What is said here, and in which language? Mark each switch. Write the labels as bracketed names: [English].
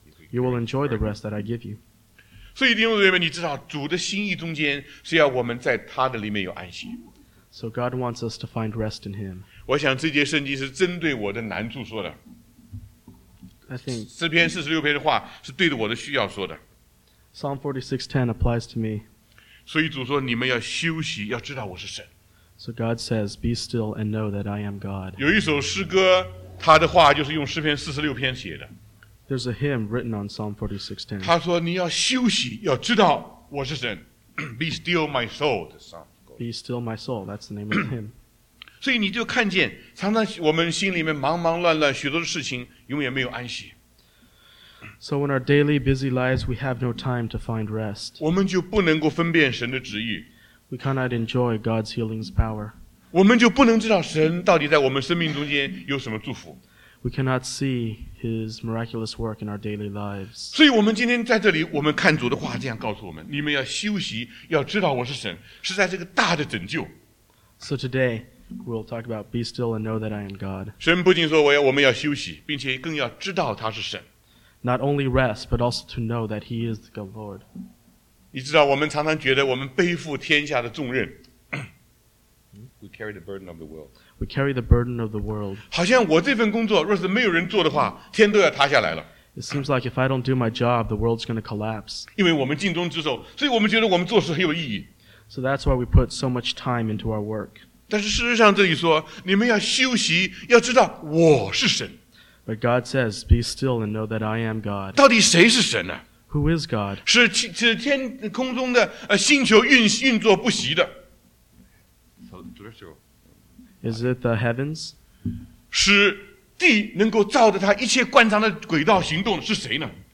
[English] You will enjoy the rest that I give you. [Chinese] 所以弟兄姊妹们，你知道主的心意中间是要我们在他的里面有安息。 [English] So God wants us to find rest in Him. [Chinese] 我想这节圣经是针对我的难处说的。 [English] I think [Chinese] 诗篇四十六篇的话是对着我的需要说的。 [English] Psalm 46:10 applies to me. [Chinese] 所以主说你们要休息，要知道我是神。 [English] So God says, "Be still and know that I am God." [Chinese] 有一首诗歌，他的话就是用诗篇四十六篇写的。 [English] There's a hymn written on Psalm 46:10. [Chinese] 他说你要休息，要知道我是神。 [English] Be still, my soul. The song. Be still, my soul. That's the name of the hymn. [Chinese] 所以你就看见，常常我们心里面忙忙乱乱，许多的事情永远没有安息。 [English] So in our daily busy lives, we have no time to find rest. [Chinese] 我们就不能够分辨神的旨意。 [English] We cannot enjoy God's healing power. [Chinese] 我们就不能知道神到底在我们生命中间有什么祝福。 [English] We cannot see His miraculous work in our daily lives. [Chinese] 所以我们今天在这里，我们看主的话这样告诉我们：你们要休息，要知道我是神，是在这个大的拯救。 [English] So today, we'll talk about be still and know that I am God. [Chinese] 神不仅说我们要休息，并且更要知道他是神。 [English] Not only rest, but also to know that He is the Lord. [Chinese] 你知道，我们常常觉得我们背负天下的重任。 [English] We carry the burden of the world. We carry the burden of the world. [Chinese] 好像我这份工作若是没有人做的话，天都要塌下来了。 [English] It seems like if I don't do my job, the world's going to collapse. [Chinese] 因为我们尽忠职守，所以我们觉得我们做事很有意义。 [English] So that's why we put so much time into our work. [Chinese] 但是事实上这里说，你们要休息，要知道我是神。 [English] But God says, "Be still and know that I am God." [Chinese] 到底谁是神呢？ [English] Who is God? [Chinese] 是天空中的星球运作不息的。 [English] Is it the heavens? [Chinese] 使地能够照着它一切惯常的轨道行动是谁呢？